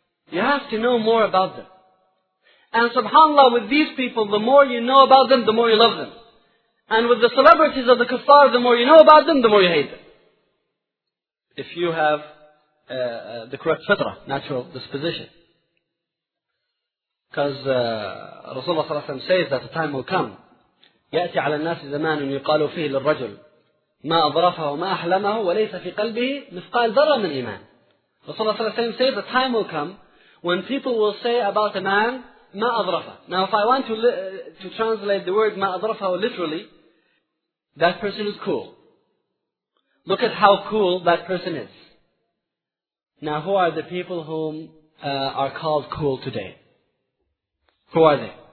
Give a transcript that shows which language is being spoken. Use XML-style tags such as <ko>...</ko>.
<en>You have to know more about them. And subhanAllah, with these people, the more you know about them, the more you love them. And with the celebrities of the kuffar, the more you know about them, the more you hate them. If you have the correct fitrah, natural disposition. Because Rasulullah</en> <ar>صلى الله عليه وسلم</ar> <en>says that the time will come.</en> <ar>يأتي على الناس زمان يقال فيه للرجل ما أضرفه وما أحلمه وليس في قلبه مثقال ذرة من إيمان.</ar> <en>Rasulullah</en> <ar>صلى الله عليه وسلم</ar> <en>says the time will come when people will say about a man</en> <ar>ما أضرفه.</ar> <en>Now if I want to translate the word</en> <ar>ما أضرفه</ar> <en>literally, that person is cool. Look at how cool that person is. Now who are the people whom are called cool today? Who are they?</en>